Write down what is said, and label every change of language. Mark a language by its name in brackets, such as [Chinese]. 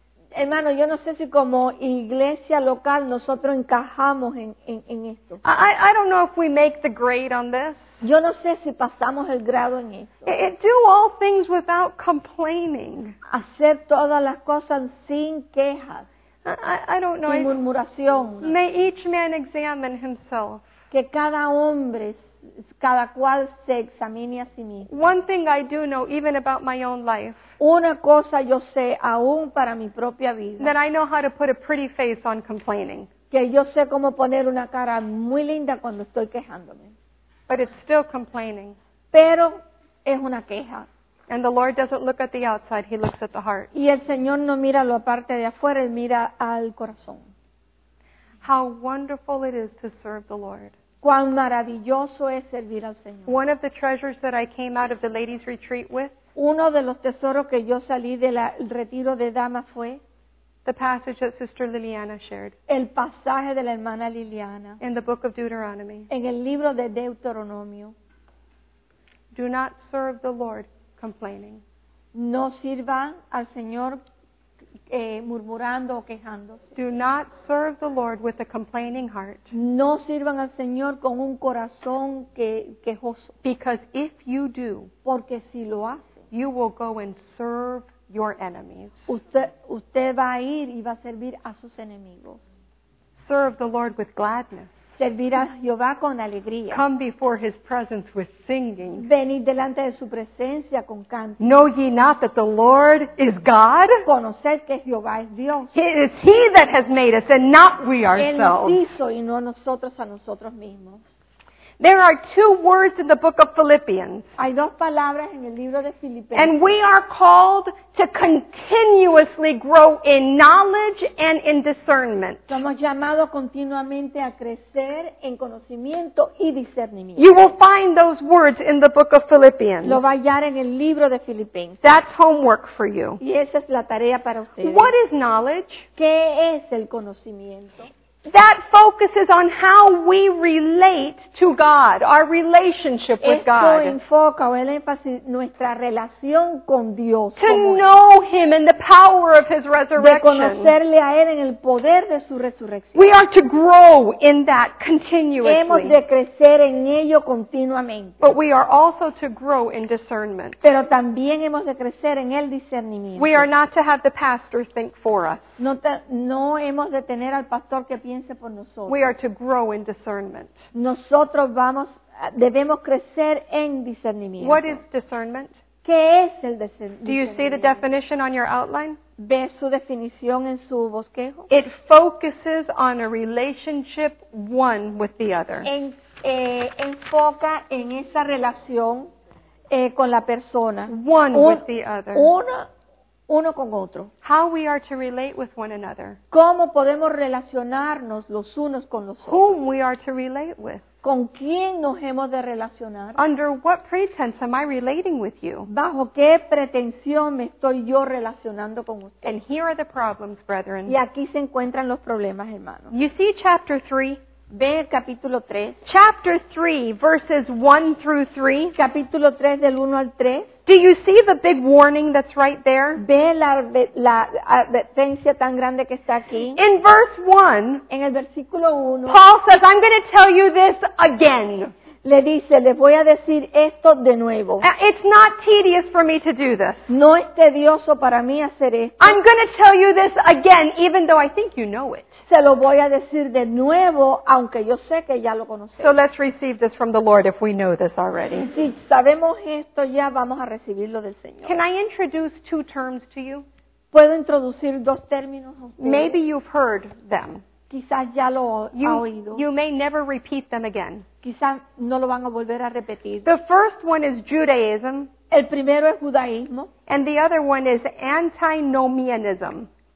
[Spanish] Hermano, yo no sé si como iglesia local nosotros encajamos en esto. [English] I don't know if we make the grade on this. [Spanish] Yo no sé si pasamos el grado en esto. [English] Do all things without complaining. [Spanish] Hacer todas las cosas sin quejas. [English] I don't know. [Spanish] Sin murmuración. [English] May each man examine himself. [Spanish] Que cada hombre, cada cual se examine a sí mismo. [English] One thing I do know, even about my own life. [Spanish] Una cosa yo sé aún para mi propia vida. [English] That I know how to put a pretty face on complaining. [Spanish] Que yo sé cómo poner una cara muy linda cuando estoy quejándome. [English] But it's still complaining. [Spanish] Pero es una queja. [English] And the Lord doesn't look at the outside, he looks at the heart. [Spanish] Y el Señor no mira la parte de afuera, él mira al corazón. [English] How wonderful it is to serve the Lord. [Spanish] Cuán maravilloso es servir al Señor. [English] One of the treasures that I came out of the ladies' retreat with. [Spanish] Uno de los tesoros que yo salí del retiro de damas fue [English] the passage that Sister Liliana shared. [Spanish] El pasaje de la hermana Liliana. [English] In the book of Deuteronomy. [Spanish] En el libro de Deuteronomio. [English] Do not serve the Lord complaining. [Spanish] No sirvan al Señor murmurando o quejándose. [English] Do not serve the Lord with a complaining heart. [Spanish] No sirvan al Señor con un corazón quejoso. [English] Because if you do, [Spanish] porque si lo hace, [English] you will go and serve your enemies. [Spanish] Usted va a ir y va a servir a sus enemigos. [English] Serve the Lord with gladness. [Spanish] Servir a Jehová con alegría. [English] Come before his presence with singing. [Spanish] Venir delante de su presencia con canto. [English] Know ye not that the Lord is God? [Spanish] Conocer que Jehová es Dios. [English] It is he that has made us and not we ourselves. [Spanish] Él nos hizo y no nosotros a nosotros mismos. [English] There are two words in the book of Philippians. [Spanish] Hay dos palabras en el libro de Filipenses. [English] And we are called to continuously grow in knowledge and in discernment. [Spanish] Somos llamados continuamente a crecer en conocimiento y discernimiento. [English] You will find those words in the book of Philippians. [Spanish] Lo va a hallar en el libro de Filipenses. [English] That's homework for you. [Spanish] Y esa es la tarea para ustedes. [English] What is knowledge? [Spanish] ¿Qué es el conocimiento? [English] That focuses on how we relate to God, our relationship with God. [Spanish] Esto enfoca o el énfasis nuestra relación con Dios. [English] To know Him in the power of His resurrection. [Spanish] De conocerle a Él en el poder de su resurrección. [English] We are to grow in that continuously. [Spanish] Hemos de crecer en ello continuamente. [English] But we are also to grow in discernment. [Spanish] Pero también hemos de crecer en el discernimiento. [English] We are not to have the pastor think for us. [Spanish] No hemos de tener al pastor que piense por nosotros. [English] We are to grow in discernment. [Spanish] Nosotros vamos, debemos crecer en discernimiento. [English] What is discernment? [Spanish] ¿Qué es el discernimiento? [English] Do you see the definition on your outline? [Spanish] ¿Ve su definición en su bosquejo? [English] It focuses on a relationship one with the other. [Spanish] Enfoca en esa relación con la persona. [English] One with the other. [Spanish] Uno con otro. [English] How we are to relate with one another. [Spanish] ¿Cómo podemos relacionarnos los unos con los otros? [English] Whom we are to relate with. [Spanish] ¿Con quién nos hemos de relacionar? [English] Under what pretense am I relating with you? [Spanish] ¿Bajo qué pretensión me estoy yo relacionando con usted? [English] And here are the problems, brethren. [Spanish] Y aquí se encuentran los problemas, hermanos. [English] You see chapter 3? [Spanish] Ve el capítulo 3. [English] Chapter 3, verses 1 through 3. [Spanish] Capítulo 3, del 1 al 3. [English] Do you see the big warning that's right there? [Spanish] Ve la advertencia tan grande que está aquí. [English] In verse 1, [Spanish] en el versículo 1, [English] Paul says, I'm going to tell you this again. [Spanish] Le dice, le voy a decir esto de nuevo. [English] It's not tedious for me to do this. [Spanish] No es tedioso para mí hacer esto. [English] I'm going to tell you this again, even though I think you know it. [Spanish] Se lo voy a decir de nuevo, aunque yo sé que ya lo conocemos. [English] So let's receive this from the Lord if we know this already. [Spanish] Si sabemos esto, ya vamos a recibirlo del Señor. [English] Can I introduce two terms to you? [Spanish] ¿Puedo introducir dos términos a ustedes? [English] Maybe you've heard them. [Spanish] Quizás ya lo [English] you, [Spanish] ha oído. [English] You may never repeat them again. [Spanish] Quizás no lo van a volver a repetir. [English] The first one is Judaism. [Spanish] El primero es judaísmo. [English] And the other one is antinomianism.